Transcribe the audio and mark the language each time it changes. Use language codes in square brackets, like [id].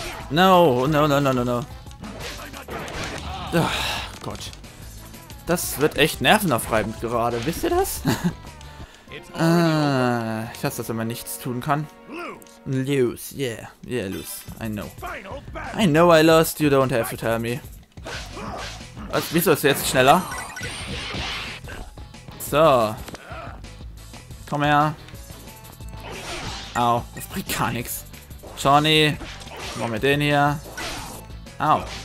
[en] No, no, no, no, no, no. [de] Ach, Gott. Das wird echt nervenaufreibend gerade. Wisst ihr das? ich hasse das, wenn man nichts tun kann. [en] Lose, yeah. Yeah, lose. I know I lost, you don't have to tell me. [de] Was, wieso ist er jetzt schneller? So. Komm her. Au, das bringt gar nichts. Johnny. Machen wir den hier. Au.